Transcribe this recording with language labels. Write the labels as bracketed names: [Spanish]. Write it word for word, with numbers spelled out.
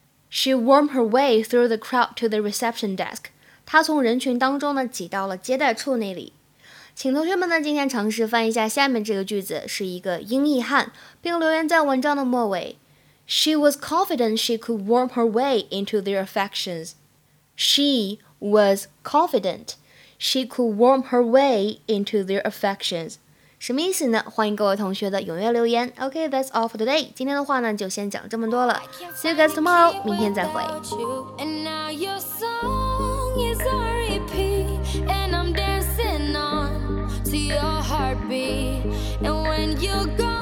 [English] She wormed her way through the crowd to the reception desk. [Chinese] 她从人群当中呢挤到了接待处那里。请同学们呢今天尝试翻译一下下面这个句子，是一个英译汉，并留言在文章的末尾。 [English] She was confident she could warm her way into their affections. She was confident she could warm her way into their affections. [Chinese] 什么意思呢？欢迎各位同学的踊跃留言。 [English] OK, that's all for today. [Chinese] 今天的话呢，就先讲这么多了。 [English] See you guys tomorrow. [Chinese] 明天再会。 [English] And now your song is a repeat, and I'm dancing on to your heartbeat. And when you